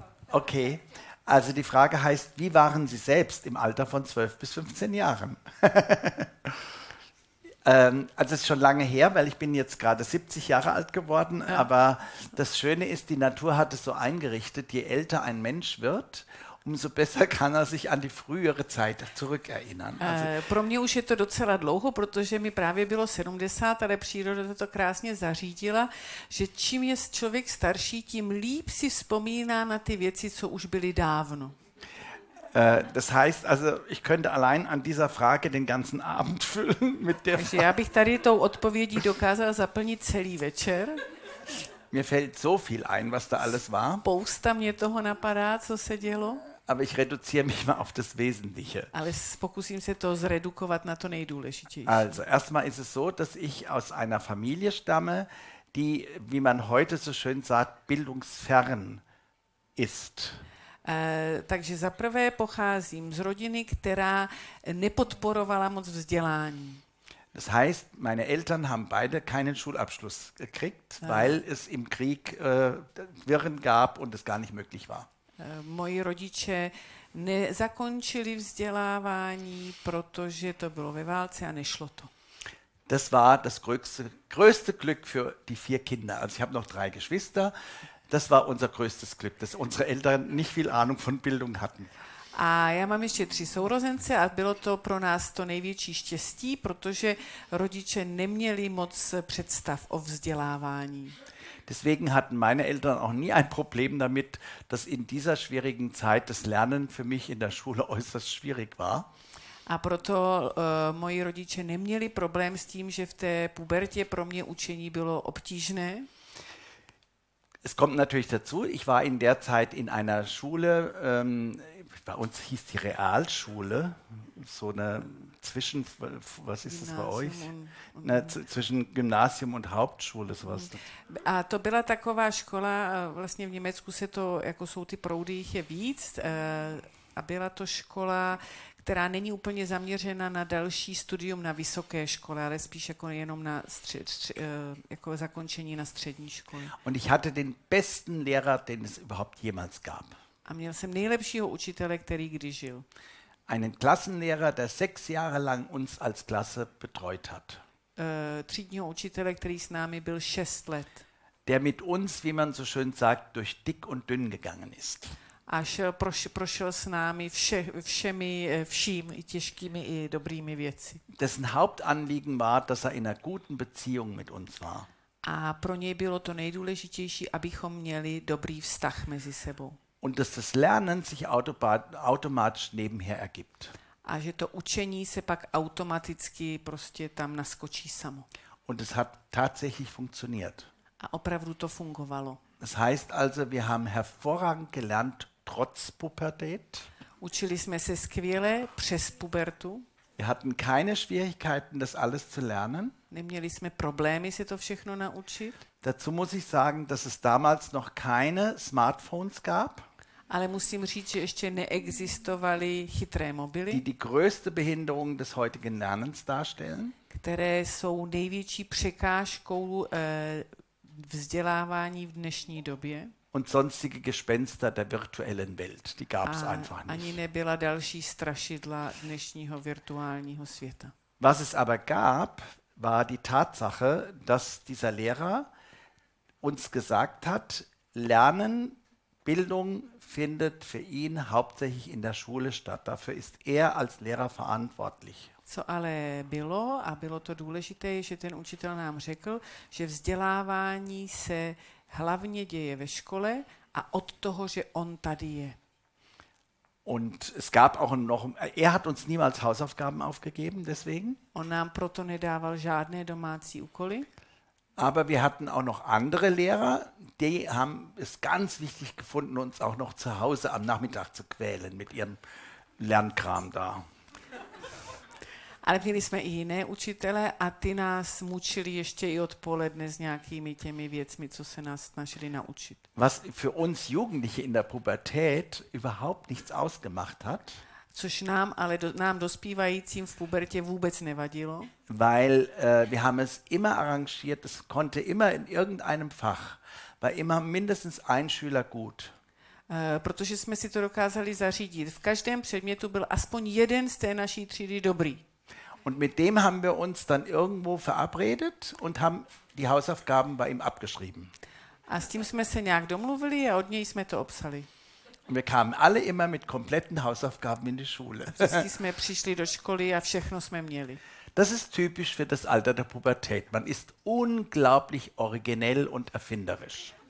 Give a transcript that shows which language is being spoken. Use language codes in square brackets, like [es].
[de] Okay, also die Frage heißt, wie waren Sie selbst im Alter von 12 bis 15 Jahren? also es ist schon lange her, weil ich bin jetzt gerade 70 Jahre alt geworden, ja. Aber das Schöne ist, die Natur hat es so eingerichtet, je älter ein Mensch wird, umso besser kann er sich an die frühere Zeit zurückerinnern. [cs] Also pro mě už je to docela dlouho, protože mi právě bylo 70, ale příroda to krásně zařídila, že čím je člověk starší, tím líp si vzpomíná na ty věci, co už byly dávno. [de] Das heißt, also ich könnte allein an dieser Frage den ganzen Abend füllen mit der Frage. [cs] Já bych tady tou odpovědí dokázal zaplnit celý večer. [de] Mir fällt so viel ein, was da alles war. [cs] Spousta mě toho napadá, co se dělo. [de] Aber ich reduziere mich mal auf das Wesentliche. [cs] Ale pokusím se to zredukovat na to nejdůležitější. [de] Also, erstmal ist es so, dass ich aus einer Familie stamme, die, wie man heute so schön sagt, bildungsfern ist. [cs] Takže za prvé pocházím z rodiny, která nepodporovala moc vzdělání. [de] Das heißt, meine Eltern haben beide keinen Schulabschluss gekriegt, weil es im Krieg Wirren gab und es gar nicht möglich war. [cs] Moji rodiče nezakončili vzdělávání, protože to bylo ve válce a nešlo to. [de] Das war das größte Glück für die vier Kinder. Also ich habe noch drei Geschwister. Das war unser größtes Glück, dass unsere Eltern nicht viel Ahnung von Bildung hatten. [cs] A já mám ještě tři sourozence a bylo to pro nás to největší štěstí, protože rodiče neměli moc představ o vzdělávání. [de] Deswegen hatten meine Eltern auch nie ein Problem damit, dass in dieser schwierigen Zeit das Lernen für mich in der Schule äußerst schwierig war. [cs] A proto moji rodiče neměli problém s tím, že v té pubertě pro mě učení bylo obtížné. [de] Es kommt natürlich dazu, ich war in der Zeit in einer Schule, bei uns hieß die Realschule, so eine Zwischen, was ist das bei euch? Zwischen Gymnasium und Hauptschule, sowas. [cs] A to byla taková škola, vlastně v Německu se to, jako jsou ty proudy, jich je víc, a byla to škola, která není úplně zaměřena na další studium na vysoké škole, ale spíš jako jenom na jako zakončení na střední škole. [de] Und ich hatte den besten Lehrer, den es überhaupt jemals gab. [cs] A měl jsem nejlepšího učitele, který kdy žil. [de] Einen Klassenlehrer, der 6 Jahre lang uns als Klasse betreut hat. [cs] Třídního učitele, který s námi byl 6 let. [de] Der mit uns, wie man so schön sagt, durch dick und dünn gegangen ist. [cs] A prošel s námi vším, i těžkými, i dobrými věci. [de] Dessen Hauptanliegen war, dass er in einer guten Beziehung mit uns war. [cs] A pro něj bylo to nejdůležitější, abychom měli dobrý vztah mezi sebou. [de] Und dass das Lernen sich automatisch nebenher ergibt. [cs] A že to učení se pak automaticky prostě tam naskočí samo. [de] Und es hat tatsächlich funktioniert. [cs] A opravdu to fungovalo. [de] Das heißt also, wir haben hervorragend gelernt trotz Pubertät. [cs] Učili jsme se skvěle přes pubertu. [de] Wir hatten keine Schwierigkeiten, das alles zu lernen. [cs] Neměli jsme problémy se to všechno naučit. [de] Dazu muss ich sagen, dass es damals noch keine Smartphones gab. [cs] Ale musím říct, že ještě neexistovaly chytré mobily. [de] Die größte Behinderung des heutigen Lernens darstellen. [cs] Které jsou největší překážkou vzdělávání v dnešní době. [de] Und sonstige Gespenster der virtuellen Welt, die gab es einfach nicht. [cs] Ani nebyla další strašidla dnešního virtuálního světa. [de] Was es aber gab, war die Tatsache, dass dieser Lehrer uns gesagt hat, Lernen, Bildung findet für ihn hauptsächlich in der Schule statt. Dafür ist er als Lehrer verantwortlich. [cs] Co ale bylo, a bylo to důležité, že ten učitel nám řekl, že vzdělávání se hlavně děje ve škole a od toho, že on tady je. [de] Und es gab auch noch, er hat uns niemals Hausaufgaben aufgegeben, deswegen. [cs] On nám proto nedával žádné domácí úkoly. [de] Aber wir hatten auch noch andere Lehrer, die haben es ganz wichtig gefunden, uns auch noch zu Hause am Nachmittag zu quälen mit ihrem Lernkram da. [cs] Ale měli jsme i jiné učitele a ty nás mučili ještě i odpoledne s nějakými těmi věcmi, co se nás snažili naučit. [de] Was für uns Jugendliche in der Pubertät überhaupt nichts ausgemacht hat. [cs] Což nám, ale nám dospívajícím v pubertě vůbec nevadilo. [de] Weil wir haben es immer arrangiert, es konnte immer in irgendeinem Fach, war immer mindestens ein Schüler gut. [cs] Protože jsme si to dokázali zařídit. V každém předmětu byl aspoň jeden z té naší třídy dobrý. [de] Und mit dem haben wir uns dann irgendwo verabredet und haben die Hausaufgaben bei ihm abgeschrieben. [cs] A s tím jsme se nějak domluvili a od něj jsme to obsali. [de] Und wir kamen alle immer mit kompletten Hausaufgaben in die Schule. [cs] A jsme přišli do školy a všechno jsme měli. [de] Das ist typisch für das Alter der Pubertät. Man ist unglaublich originell und erfinderisch.